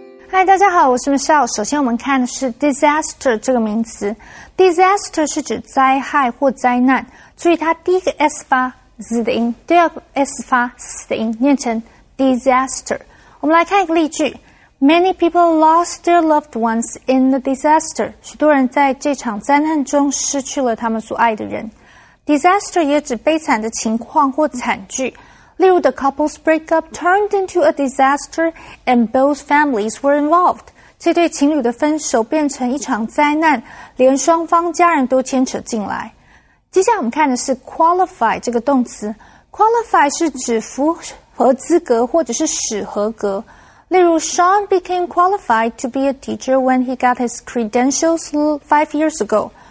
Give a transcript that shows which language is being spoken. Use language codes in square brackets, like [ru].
[zh] Hi, 大家好，我是 Michelle。首先我们看的是 disaster 这个名词。 Disaster 是指灾害或灾难。注意它第一个 S 发 Z 的音，第二个 S 发 S 的音，念成 disaster。我们来看一个例句。 [en] Many people lost their loved ones in the disaster. [zh] 许多人在这场灾难中失去了他们所爱的人。 Disaster 也指悲惨的情况或惨剧。例如 [en] the couple's breakup turned into a disaster and both families were involved. [zh] 这对情侣的分手变成一场灾难，连双方家人都牵扯进来。接下来我们看的是 qualify 这个动词。Qualify 是指符合资格或者是使合格。例如 [en] Sean became qualified to be a teacher when he got his credentials 5 years ago.